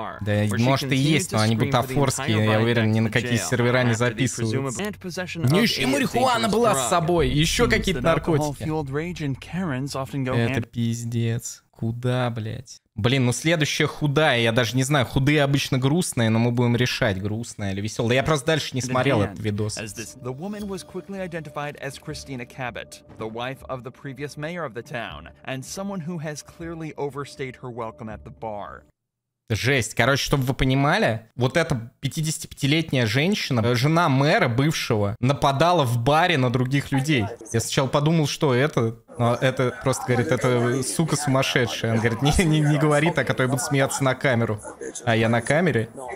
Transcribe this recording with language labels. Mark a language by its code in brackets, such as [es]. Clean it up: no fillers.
[ru] Да, может и есть, но они бутафорские, я уверен, ни на какие сервера не записываются. Ну еще и марихуана была с собой, еще какие-то наркотики. Это пиздец. Куда, блять? Блин, ну следующая худая, я даже не знаю, худые обычно грустные, но мы будем решать, грустная или веселая. Я просто дальше не смотрел этот видос. [en] The woman was quickly identified as Christina Cabot, the wife of the previous mayor of the town, and someone who has clearly overstayed her welcome at the bar. [ru] Жесть. Короче, чтобы вы понимали, вот эта 55-летняя женщина, жена мэра бывшего, нападала в баре на других людей. Я сначала подумал, что это... Но это просто говорит, это сука сумасшедшая. Он говорит, не говори так, а то я буду смеяться на камеру. А я на камере?